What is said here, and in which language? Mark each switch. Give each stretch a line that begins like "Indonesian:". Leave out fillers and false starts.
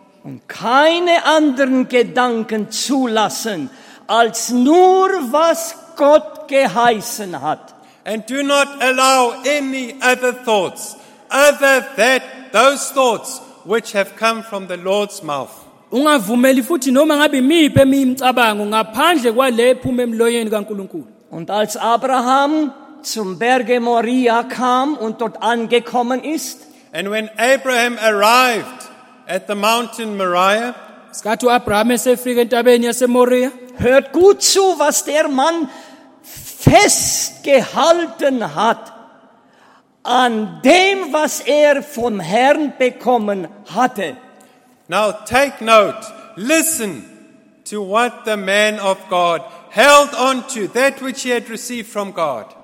German: Und keine anderen Gedanken zulassen, als nur was Gott geheißen hat.
English: And do not allow any other thoughts other than those thoughts which have come from the Lord's mouth.
Zulu: Ungavumeli futhi noma ngabe imiphi imicabango ngaphandle kwale phume emloyeni kaNkuluNkulu.
German: Und als Abraham zum Berge Moria kam und dort angekommen ist,
English: and when Abraham arrived at the mountain Moriah,
Zulu: skatu Abraham esefika entabeni yase Moria.
German: Hört gut zu, was der Mann festgehalten hat an dem, was er vom Herrn bekommen hatte.
English: Now take note, listen to what the man of God held on to, that which he had received from God.